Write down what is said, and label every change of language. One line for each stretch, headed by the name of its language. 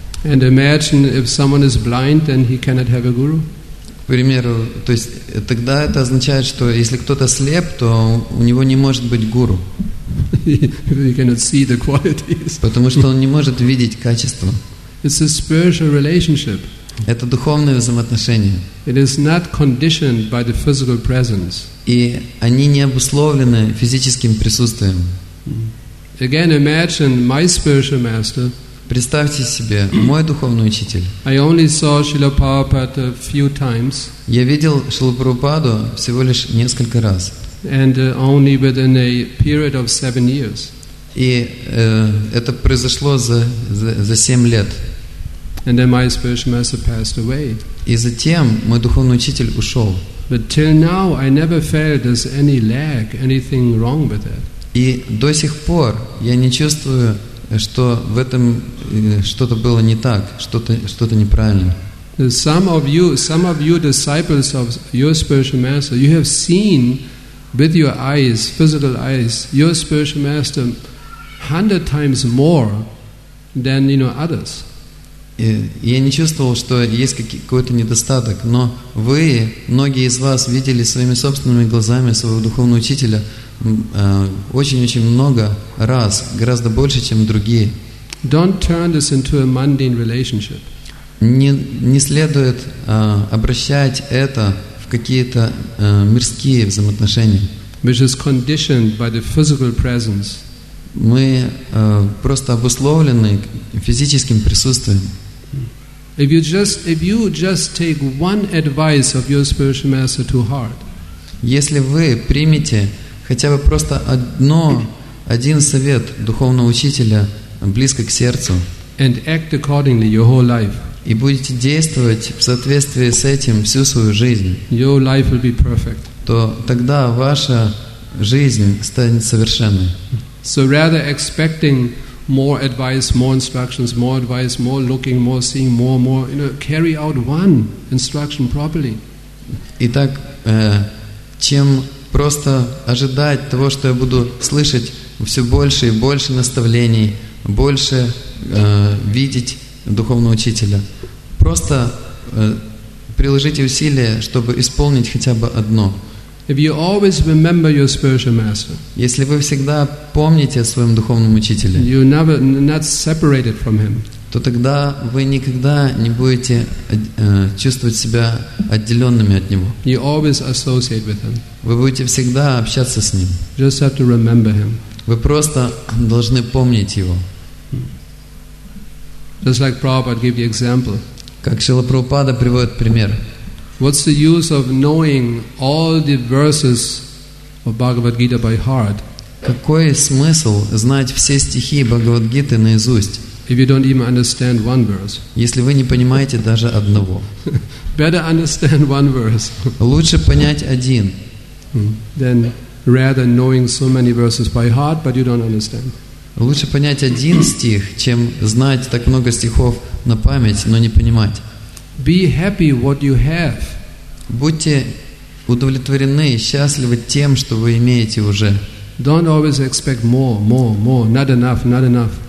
English: And imagine if someone is blind, then he cannot have a guru.
Russian: К примеру, то есть тогда это означает, что если кто-то слеп, то у него не может быть гуру.
English: He cannot see the qualities.
Russian: Потому что он не может видеть качества.
English: It's a spiritual relationship.
Russian: Это духовные взаимоотношения.
English: It is not conditioned by the physical presence.
Russian: И они не обусловлены физическим присутствием.
English: Again, imagine my spiritual master.
Russian: Представьте себе, мой духовный учитель.
English: I only saw Srila Prabhupada a few times.
Russian: Я видел Шрилу Прабхупаду всего лишь несколько раз.
English: And only within a period of 7 years.
Russian: И это произошло за 7 лет.
English: And then my spiritual master passed away.
Russian: И затем мой духовный учитель ушел.
English: But till now I never felt there's any lag, anything wrong with that.
Russian: И до сих пор я не чувствую, что в этом что-то было не так, что-то неправильно.
English: Some of you disciples of your spiritual master, you have seen with your eyes, physical eyes, your spiritual master 100 times more than, you know, others.
Russian: Я не чувствовал, что есть какой-то недостаток, но вы, многие из вас, видели своими собственными глазами своего духовного учителя очень-очень много раз, гораздо больше, чем другие.
English: Don't turn this into a mundane relationship.
Russian: Не следует обращать это в какие-то мирские взаимоотношения.
English: Which is conditioned by the physical presence.
Russian: Мы просто обусловлены физическим присутствием.
English: If you just take one advice of your spiritual master to heart.
Russian: Если вы примете хотя бы просто один совет духовного учителя близко к сердцу.
English: And act accordingly your whole life.
Russian: И будете действовать в соответствии с этим всю свою жизнь.
English: Your life will be perfect.
Russian: То тогда ваша жизнь станет совершенной.
English: So rather expecting more advice, more instructions, more advice, more looking, more seeing, more, you know, carry out one instruction properly.
Russian: Итак, чем просто ожидать того, что я буду слышать все больше и больше наставлений, больше видеть духовного учителя. Просто приложите усилия, чтобы исполнить хотя бы одно.
English: If you always remember your spiritual master,
Russian: если вы всегда помните о своем духовном учителе,
English: you never not separated from him,
Russian: то тогда вы никогда не будете чувствовать себя отделенными от него.
English: You always associate with him.
Russian: Вы будете всегда общаться с ним.
English: Just have to remember him.
Russian: Вы просто должны помнить его.
English: Just like Prabhupada gave you example.
Russian: Как Шрила Прабхупада приводит пример.
English: What's the use of knowing all the verses of Bhagavad Gita by heart?
Russian: Какой смысл знать все стихи Бхагавад-гиты наизусть?
English: if you don't even understand one verse.
Russian: Если вы не понимаете даже одного.
English: Better understand one verse.
Russian: Лучше понять один.
English: Then rather knowing so many verses by heart, but you don't understand.
Russian: Лучше понять один стих, чем знать так много стихов на память, но не понимать.
English: Be happy what you have.
Russian: Будьте удовлетворены и счастливы тем, что вы имеете уже.
English: Don't always expect more, not enough.